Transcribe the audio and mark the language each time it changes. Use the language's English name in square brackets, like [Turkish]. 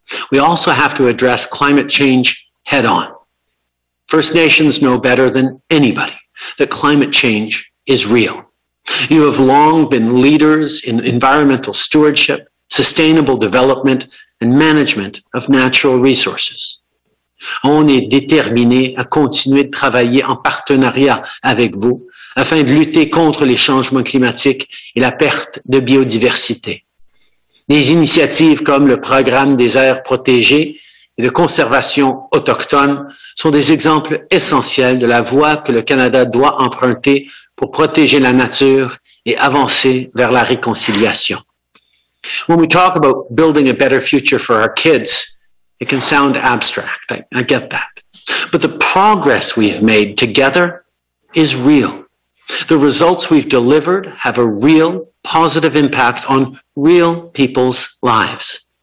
[English] We also have to address climate change head on. First Nations know better than anybody that climate change is real. You have long been leaders in environmental stewardship, sustainable development, and management of natural resources. [French] On est déterminé à continuer de travailler en partenariat avec vous afin de lutter contre les changements climatiques et la perte de biodiversité. Des initiatives comme le programme des aires protégées et de conservation autochtone sont des exemples essentiels de la voie que le Canada doit emprunter pour protéger la nature et avancer vers la réconciliation. [English] When we talk about building a better future for our kids, it can sound abstract. I get that. But the progress we've made together is real. The results we've delivered have a real positive impact on real people's lives.